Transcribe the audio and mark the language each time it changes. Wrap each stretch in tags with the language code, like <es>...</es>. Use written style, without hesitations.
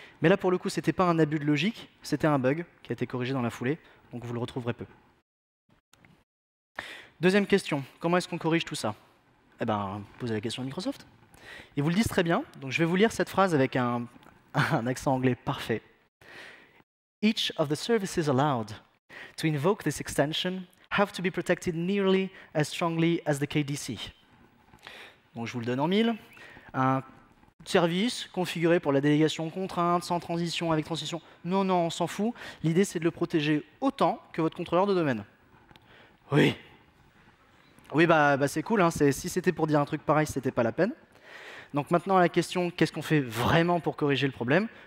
<fr>Mais là pour le coup, c'était pas un abus de logique, c'était un bug qui a été corrigé dans la foulée, donc vous le retrouverez peu. Deuxième question, comment est-ce qu'on corrige tout ça? Eh bien, posez la question à Microsoft. Ils vous le disent très bien, donc je vais vous lire cette phrase avec un accent anglais parfait.</fr> <en>Each of the services allowed to invoke this extension have to be protected nearly as strongly as the KDC.</en> <fr>Donc je vous le donne en mille. Un service configuré pour la délégation contrainte, sans transition, avec transition. Non, on s'en fout. L'idée, c'est de le protéger autant que votre contrôleur de domaine. Oui. Oui, bah c'est cool. Hein. Si c'était pour dire un truc pareil, c'était pas la peine. Donc maintenant, la question, qu'est-ce qu'on fait vraiment pour corriger le problème?</fr>